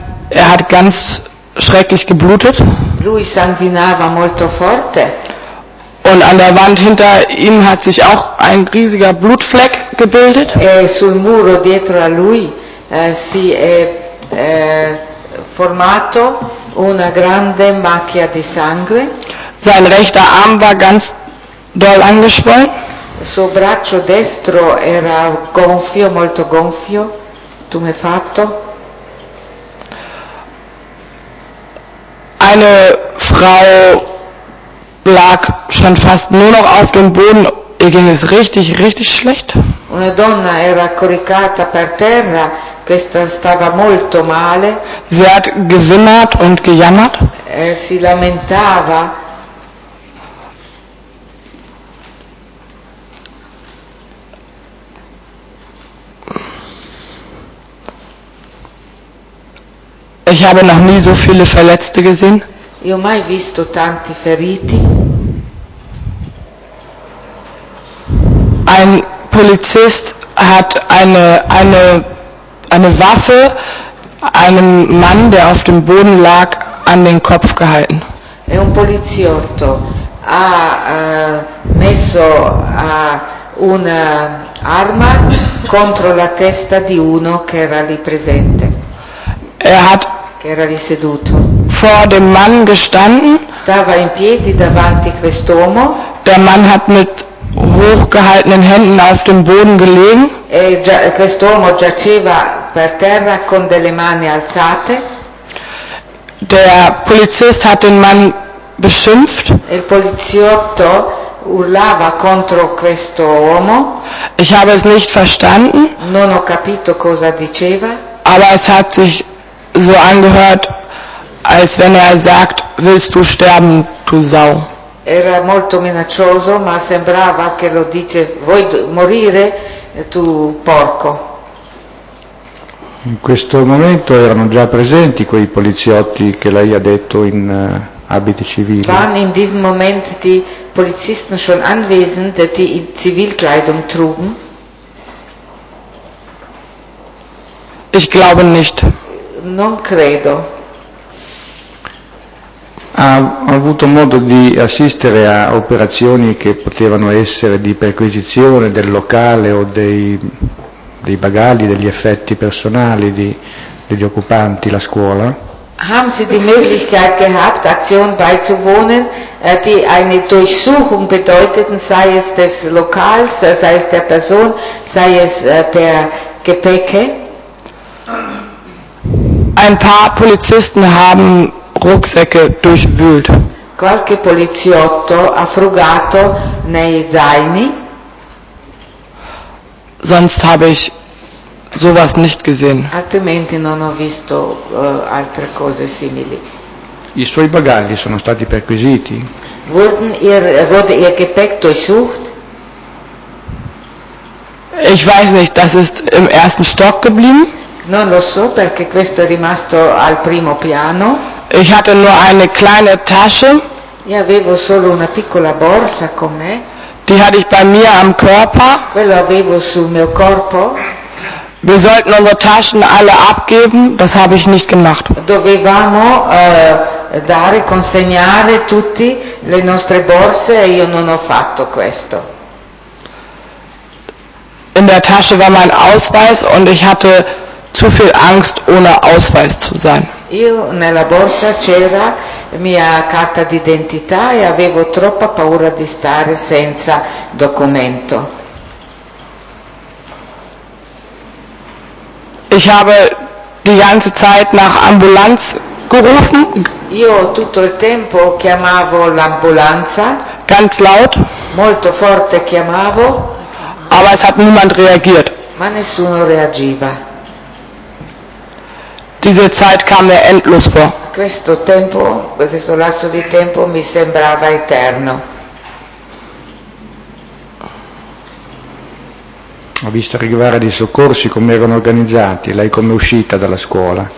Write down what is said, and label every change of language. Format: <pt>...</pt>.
<de>Er hat ganz schrecklich geblutet.</de> <it>Lui sanguinava molto forte.</it> <de>Und an der Wand hinter ihm hat sich auch ein riesiger Blutfleck gebildet.</de> <it>E sul muro dietro a lui si è formato una grande macchia di sangue.</it> <de>Sein rechter Arm war ganz doll angeschwollen.</de> <it>Suo braccio destro era gonfio, molto gonfio, tumefatto.</it> <de>Eine Frau lag schon fast nur noch auf dem Boden, ihr ging es richtig, richtig schlecht.</de> <it>Una donna era coricata per terra, questa stava molto male.</it> <de>Sie hat gewimmert und gejammert.</de> <it>Si lamentava.</it> <de>Ich habe noch nie so viele Verletzte gesehen.</de> <it>Io ho mai visto tanti feriti.</it> <de>Ein Polizist hat eine Waffe einem Mann, der auf dem Boden lag, an den Kopf gehalten.</de> <it>E un poliziotto ha messo una arma contro la testa di uno che era lì presente. Era lì seduto.</it> <de>Vor dem Mann gestanden.</de> <it>Stava in piedi davanti quest'uomo.</it> <de>Der Mann hat mit hochgehaltenen Händen auf dem Boden gelegen.</de> <it>E quest'uomo giaceva per terra con delle mani alzate.</it> <de>Der Polizist hat den Mann beschimpft.</de> <it>Il poliziotto urlava contro questo uomo.</it> <de>Ich habe es nicht verstanden.</de> <it>Non ho capito cosa diceva.</it> <de>Aber es hat sich so angehört, als wenn er sagt, willst du sterben, du Sau.</de> <it>Era molto minaccioso, ma sembrava che lo dice, vuoi morire, tu porco. In questo momento erano già presenti quei poliziotti che lei ha detto in abiti civili.</it> <de>Waren in diesem Moment die Polizisten schon anwesend, die in Zivilkleidung trugen? Ich glaube nicht.</de> <it>Non credo. Ha avuto modo di assistere a operazioni che potevano essere di perquisizione del locale o dei bagagli, degli effetti personali degli occupanti la scuola?</it> <de>Haben Sie die Möglichkeit gehabt, Aktionen beizuwohnen, die eine Durchsuchung bedeuteten, sei es des Lokals, sei es der Person, sei es der Gepäcke? Ein paar Polizisten haben Rucksäcke durchwühlt.</de> <it>Qualche poliziotto ha frugato nei zaini.</it> <de>Sonst habe ich sowas nicht gesehen.</de> <it>Altrimenti non ho visto altre cose simili. I suoi bagagli sono stati perquisiti?</it> <de>Wurde ihr Gepäck durchsucht? Ich weiß nicht, das ist im ersten Stock geblieben.</de> <it>Non lo so, perché questo è rimasto al primo piano.</it> <de>Ich hatte nur eine kleine Tasche.</de> <it>Io avevo solo una piccola borsa con me.</it> <de>Die hatte ich bei mir am Körper.</de> <it>Quello avevo sul mio corpo.</it> <de>Wir sollten unsere Taschen alle abgeben, das habe ich nicht gemacht.</de> <it>Dovevamo dare, consegnare tutti le nostre borse e io non ho fatto questo.</it> <de>In der Tasche war mein Ausweis und ich hatte zu viel Angst, ohne Ausweis zu sein.</de> <it>Io nella borsa c'era mia carta d'identità e avevo troppa paura di stare senza documento.</it> <de>Ich habe die ganze Zeit nach Ambulanz gerufen.</de> <it>Io tutto il tempo chiamavo l'ambulanza.</it> <de>Ganz laut.</de> <it>Molto forte chiamavo.</it> <de>Aber es hat niemand reagiert.</de> <it>Ma nessuno reagiva.</it> <de>Diese Zeit kam mir endlos vor.</de> <it>Questo tempo, questo lasso di tempo mi sembrava eterno. Ho visto arrivare dei soccorsi, come erano organizzati? Lei come è uscita dalla scuola?</it>